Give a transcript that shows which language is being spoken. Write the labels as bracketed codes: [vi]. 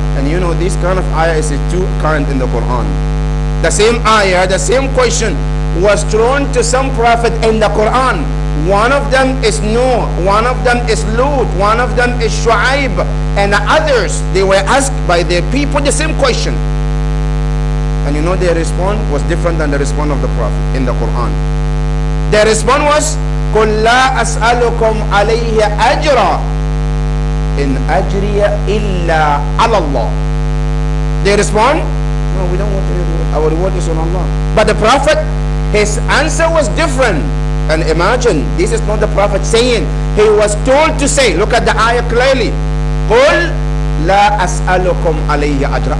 [en] You know, this kind of ayah is a two kind in the Quran. The same ayah, the same question was thrown to some prophet in the Quran, One of them is Noah, one of them is Lut, one of them is Shu'aib, and others, they were asked by their people the same question. And you know their response was different than the response of the Prophet in the Quran. Their response was, [ar] قُلْ لَا أَسْأَلُكُمْ عَلَيْهِ أَجْرًا إِنْ أَجْرِيَ إِلَّا عَلَى اللَّهِ. [en] They respond, no, we don't want to reward. Our reward is on Allah. But the Prophet, his answer was different. And imagine, this is not the Prophet saying. He was told to say, look at the ayah clearly. [ar] قُلْ لَا أَسْأَلُكُمْ عَلَيْهِ أَجْرًا.